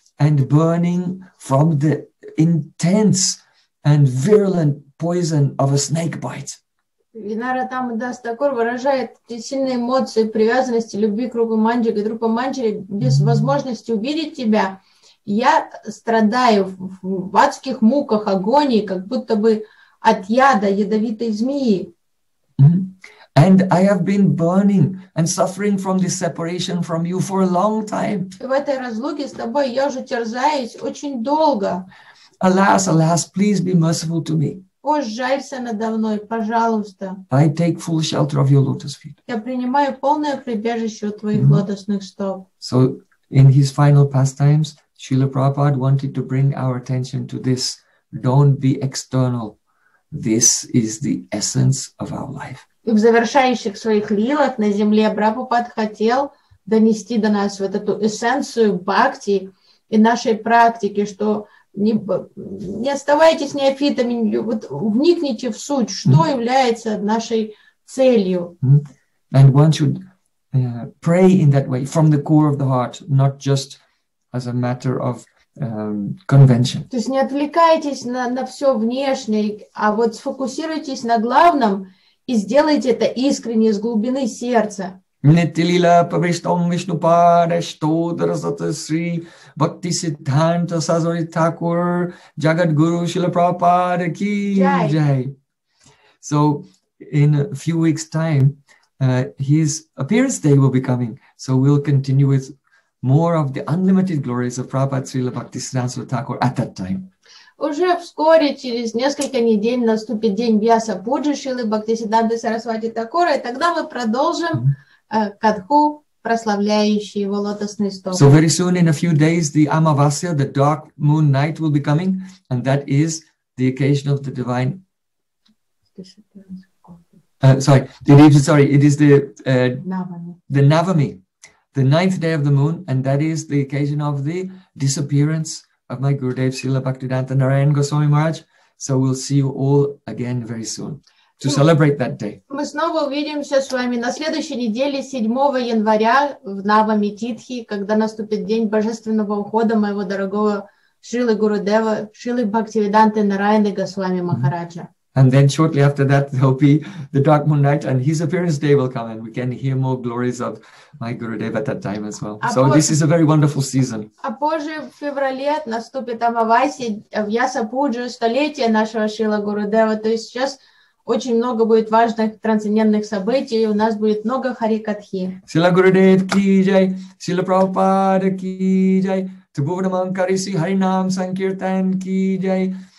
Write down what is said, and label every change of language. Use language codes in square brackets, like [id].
[en] and burning from the intense and virulent poison of a snake bite. [ru] Винара там даст такой выражает те сильные эмоции привязанности любви к рупа манджи, к рупа манджи без возможности увидеть тебя. Я страдаю в адских муках, агонии, как будто бы от яда ядовитой змеи. Mm-hmm. [en] And I have been burning and suffering from this separation from you for a long time. [ru] В этой разлуке с тобой я уже терзаюсь очень долго. [en] Alas, alas, please be merciful to me. [ru] О, жалься надо мной, пожалуйста. [en] I take full shelter of your lotus feet. [ru] Я принимаю полное прибежище у твоих mm-hmm. лотосных стоп. [en] So, in his final pastimes, Srila Prabhupada wanted to bring our attention to this. Don't be external. This is the essence of our life. [ru] И в завершающих своих лилах на земле Прабхупад хотел донести до нас вот эту эссенцию бхакти и нашей практики, что не оставайтесь неофитами, вот вникните в суть, что mm-hmm. является нашей целью. Mm-hmm. [en] And one should pray in that way from the core of the heart, not just as a matter of convention. [ru] То есть не отвлекайтесь на все внешнее, а вот сфокусируйтесь на главном и сделайте это искренне, с глубины сердца. [sa] Нитилила Павиштам Вишнупада Штодра Сата Сри Бхактисиддханта Сазвати Такур Джагадгуру Шрила Прабхупада Ки Джай. [en] So, in a few weeks' time, his appearance day will be coming. So, we'll continue with more of the unlimited glories of Prabhupada Srila Bhaktisiddhanta Sarasvati Thakur at that time. [ru] Уже вскоре, через несколько недель, наступит день Вьяса Пуджи Шрилы Бхактисиддханты Сарасвати Такура, и тогда мы продолжим катху, прославляющий его лотосный стоп. [en] So very soon, in a few days, the Amavasya, the dark moon night, will be coming, and that is the occasion of the divine... The Navami. The ninth day of the moon, and that is the occasion of the disappearance of my Gurudev Srila Bhaktivedanta Narayan Goswami Maharaj. So we'll see you all again very soon to celebrate that day. [ru] Мы снова увидимся с вами на следующей неделе, 7 января, в Навами Титхи, когда наступит день божественного ухода моего дорогого Шрилы Гурудева, Шрилы Бхактивиданты Нараяны Госвами Махараджа. [en] And then shortly after that, there'll be the dark moon night and his appearance day will come and we can hear more glories of my Gurudev at that time as well. So this is a very wonderful season. [ru] А позже в феврале наступит Амавасия, Вьяса Пуджа, столетие нашего Шрила Гурудева. То есть сейчас очень много будет важных трансцендентных событий, у нас будет много харикатхи. [sa] Шрила Гурудев ки джай, Шрила Прабхупада ки джай, Трибхуванаман Кариси Харинам Санкиртан ки джай.